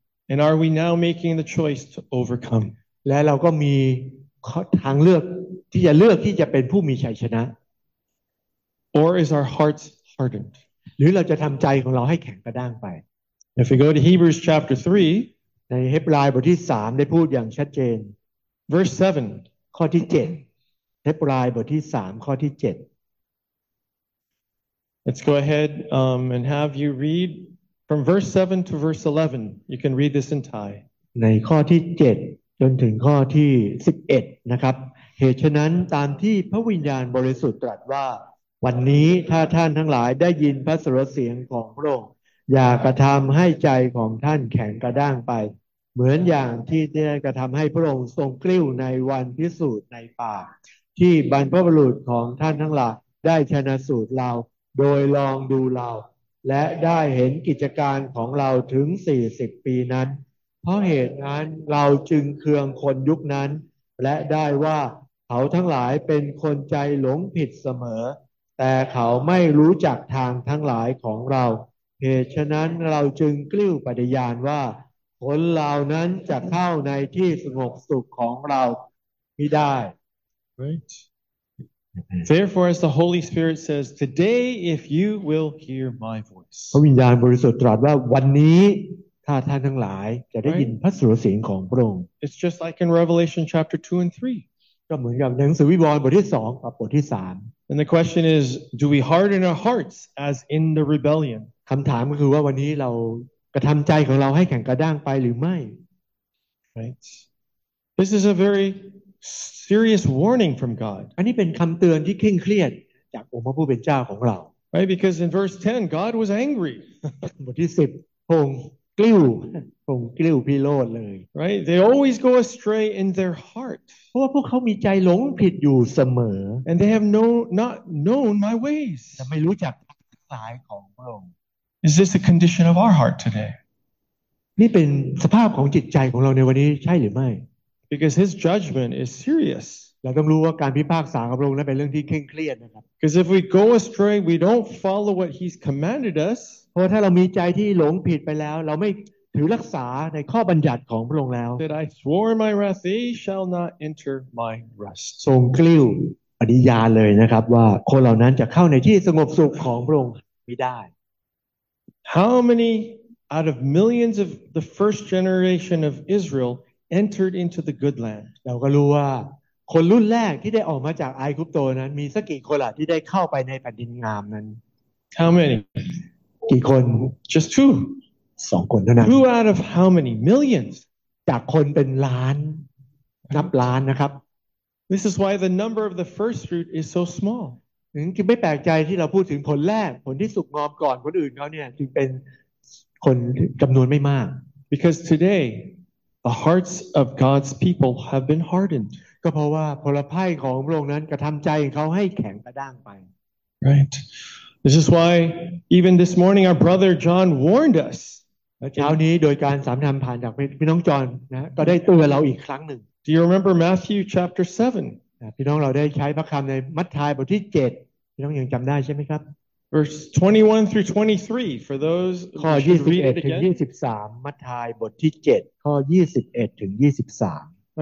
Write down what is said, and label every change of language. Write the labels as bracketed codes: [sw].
[en] And are we now making the choice to overcome? [th] และเราก็มีทางเลือกที่จะเลือกที่จะเป็นผู้มีชัยชนะ [en] Or is our hearts hardened? [th] หรือเราจะทำใจของเราให้แข็งกระด้างไป [en] If we go to Hebrews chapter 3, [th] ในเฮบรายบทที่3ได้พูดอย่างชัดเจน [en] verse 7, [th] ข้อที่7 เฮบรายบทที่3ข้อที่7 [en] Let's go ahead and have you read from verse 7 to verse 11. You can read this in Thai. [th] ในข้อที่7จนถึงข้อที่11นะครับเหตุฉะนั้นตามที่พระวิญญาณบริสุทธิ์ตรัสว่าวันนี้ถ้าท่านทั้งหลายได้ยินพระสุรเสียงของพระองค์อย่ากระทำให้ใจของท่านแข็งกระด้างไปเหมือนอย่างที่ได้กระทำให้พระองค์ทรงกลิ้วในวันพิสูจน์ในป่า ที่บรรพบุรุษของท่านทั้งหลายได้ชนะสูตรเราโดยลองดูเราและได้เห็นกิจการของเราถึง40ปีนั้นเพราะเหตุนั้นเราจึงเคืองคนยุคนั้นและได้ว่าเขาทั้งหลายเป็นคนใจหลงผิดเสมอ แต่เขาไม่รู้จักทางทั้งหลายของเราเหตุฉะนั้นเราจึงกลิ้วปฏิญาณว่าคนเหล่านั้นจะเข้าในที่สงบสุขของเราไม่ได้ [en] Right. Therefore, as the Holy Spirit says, today, if you will hear my voice. [th] พระวิญญาณบริสุทธิ์ตรัสว่าวันนี้ถ้าท่านทั้งหลายจะได้ยินพระสุรเสียงของพระองค์ [en] It's just like in Revelation chapter 2 and 3. [th] ก็เหมือนกับหนังสือวิวรณ์บทที่2กับบทที่3 [en] And the question is, do we harden our hearts as in the rebellion? [th] คำถามก็คือว่าวันนี้เรากระทำใจของเราให้แข็งกระด้างไปหรือไม่ [en] Right. This is a very serious warning from God. [th] อันนี้เป็นคำเตือนที่เคร่งเครียดจากองค์พระผู้เป็นเจ้าของเรา [en] Right, because in verse 10, God was angry. [th] บทที่10พงกลิ้วพงกลิ้วพิโรธเลย [en] Right, they always go astray in their heart. [th] เพราะว่าพวกเขามีใจหลงผิดอยู่เสมอ [en] And they have not known my ways. [th] แต่ไม่รู้จักสายของพระองค์ [en] Is this the condition of our heart today? [th] นี่เป็นสภาพของจิตใจของเราในวันนี้ใช่หรือไม่ [en] Because his judgment is serious. [th] เราต้องรู้ว่าการพิพากษาของพระองค์นั้นเป็นเรื่องที่เคร่งเครียดนะครับ [en] Because if we go astray, we don't follow what he's commanded us. [th] เพราะถ้าเรามีใจที่หลงผิดไปแล้วเราไม่ถือรักษาในข้อบัญญัติของพระองค์แล้ว [en] That I swore my wrath, they shall not enter my rest. [th] ทรงกลิ้วปฏิญาณเลยนะครับว่าคนเหล่านั้นจะเข้าในที่สงบสุขของพระองค์ไม่ได้ [en] How many out of millions of the first generation of Israel entered into the good land? [th] เราก็รู้ว่าคนรุ่นแรกที่ได้ออกมาจากไอคุปโตนั้นมีสักกี่คนล่ะที่ได้เข้าไปในแผ่นดินงามนั้น [en] How many? [th] กี่คน [en] just two [th] สองคนเท่านั้น [en] two out of how many millions [th] จากคนเป็นล้านนับล้านนะครับ [en] this is why the number of the first fruit is so small [th] ถึงไม่แปลกใจที่เราพูดถึงผลแรกผลที่สุกงอมก่อนคนอื่นเขาเนี่ยถึงเป็นคนจำนวนไม่มาก [en] because today the hearts of God's people have been hardened [th] ก็เพราะว่าผลภัยของพระองค์นั้นกระทำใจของเขาให้แข็งกระด้างไป [en] rightThis is why even this morning our brother John warned us. [th] เช้านี้โดยการสัมภาษณ์ผ่านจากพี่น้องจอห์นนะก็ได้เตือนเราอีกครั้งหนึ่ง [en] Do you remember Matthew chapter 7? [th] พี่น้องเราได้ใช้พระคำในมัทธายบทที่7พี่น้องยังจำได้ใช่ไหมครับ [en] Verse 21 through 23 for those [th] ข้อ21ถึง23มัทธายบทที่7ข้อ21ถึง23